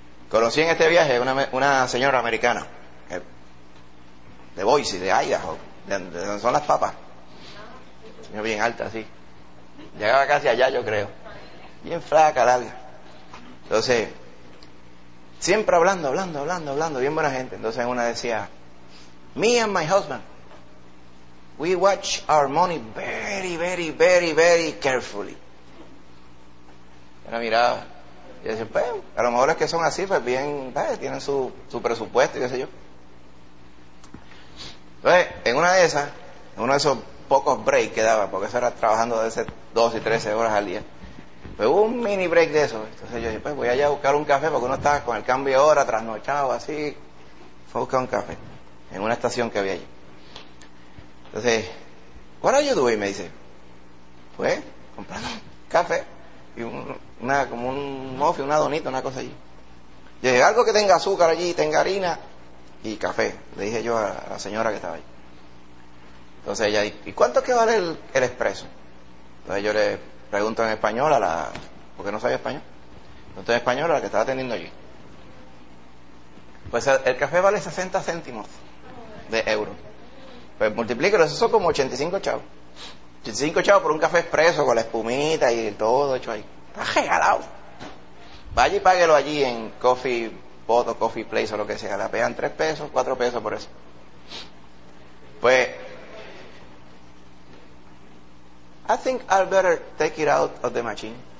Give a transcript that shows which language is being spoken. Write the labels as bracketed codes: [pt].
[es] Conocí en este viaje una señora americana, de Boise, de Idaho, de donde son las papas. Señora bien alta, así. Llegaba casi allá, yo creo. Bien flaca, larga. Entonces, siempre hablando, bien buena gente. Entonces una decía, [en] me and my husband, we watch our money very, very, very, very carefully. [es] Era mirada. Y decía, pues, a lo mejor es que son así, pues bien, tienen su presupuesto y qué sé yo. Entonces, en uno de esos pocos breaks que daba, porque eso era trabajando de esas 12 y 13 horas al día, pues hubo un mini break de eso. Entonces yo dije, pues voy allá a buscar un café, porque uno estaba con el cambio de hora, trasnochado, así. Fue a buscar un café en una estación que había allí. [en] Entonces, what are you doing? [es] Me dice, pues, comprando café y como un muffin, una donita, una cosa allí. Yo dije, algo que tenga azúcar allí, tenga harina y café, le dije yo a la señora que estaba allí. Entonces ella dice, ¿y cuánto es que vale el expreso? Entonces yo le pregunto en español a la, porque no sabía español. Entonces en español a la que estaba atendiendo allí. Pues el café vale 60 céntimos de euro. Pues multiplíquelo, eso son como 85 chavos. 85 chavos por un café expreso con la espumita y todo hecho ahí. Está regalado. Vaya y páguelo allí en Coffee Pot o Coffee Place o lo que sea. La pegan 3 pesos, 4 pesos por eso. [en] Pues, I think I'd better take it out of the machine.